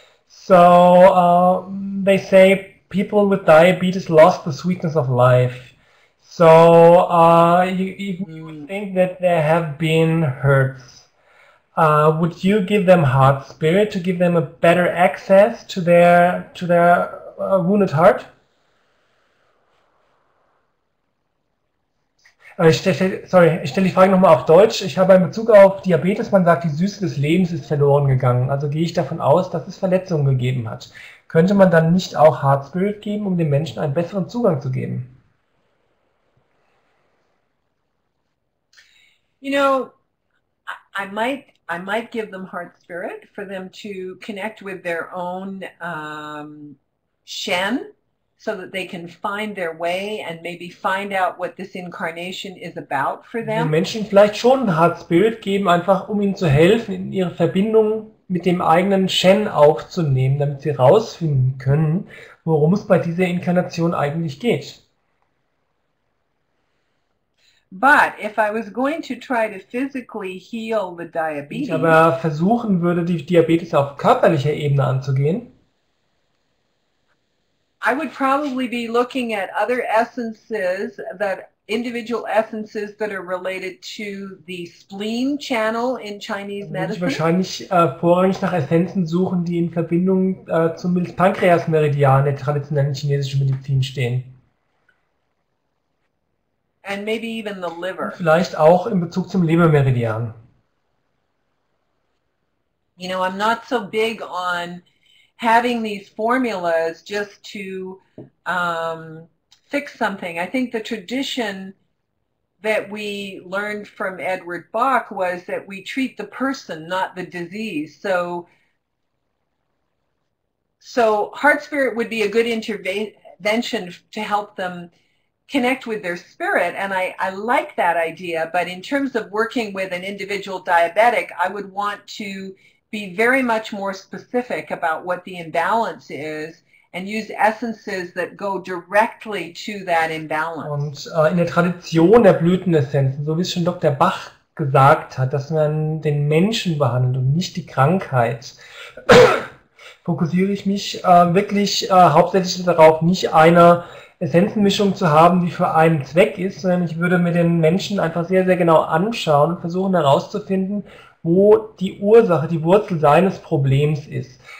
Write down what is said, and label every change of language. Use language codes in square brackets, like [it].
[en] So they say people with diabetes lost the sweetness of life. So you think that there have been hurts. Would you give them heart spirit to give them a better access to their a wounded heart? [de] Sorry, ich stelle die Frage nochmal auf Deutsch. Ich habe in Bezug auf Diabetes, man sagt, die Süße des Lebens ist verloren gegangen. Also gehe ich davon aus, dass es Verletzungen gegeben hat. Könnte man dann nicht auch Heart Spirit geben, um den Menschen einen besseren Zugang zu geben? [en] I might give them heart spirit for them to connect with their own Shen, so that they can find their way and maybe find out what this incarnation is about for [de] Den Menschen vielleicht schon ein Herzbild geben, einfach um ihnen zu helfen, in ihre Verbindung mit dem eigenen Shen aufzunehmen, damit sie herausfinden können, worum es bei dieser Inkarnation eigentlich geht. [en] But if I was going to try to physically heal the [de] Wenn ich [en] diabetes, [de] aber versuchen würde, die Diabetes auf körperlicher Ebene anzugehen, [en] I would probably be looking at other essences, that individual essences that are related to the spleen channel in Chinese [de] würde ich [en] medicine. [de] wahrscheinlich vorrangig nach Essenzen suchen, die in Verbindung zum Pankreasmeridian der traditionellen chinesischen Medizin stehen. [en] And maybe even the [de] Und [en] liver. [de] vielleicht auch in Bezug zum Lebermeridian. [en] I'm not so big on having these formulas just to fix something. I think the tradition that we learned from Edward Bach was that we treat the person, not the disease. So heart spirit would be a good intervention to help them connect with their spirit, and I like that idea, but in terms of working with an individual diabetic, I would want to be very much more specific about what the imbalance is and use essences that go directly to that imbalance. [de] Und in der Tradition der Blütenessenzen, so wie es schon Dr. Bach gesagt hat, dass man den Menschen behandelt und nicht die Krankheit, fokussiere ich mich wirklich hauptsächlich darauf, nicht eine Essenzenmischung zu haben, die für einen Zweck ist, sondern ich würde mir den Menschen einfach sehr, sehr genau anschauen und versuchen herauszufinden, wo die Ursache, die Wurzel seines Problems ist.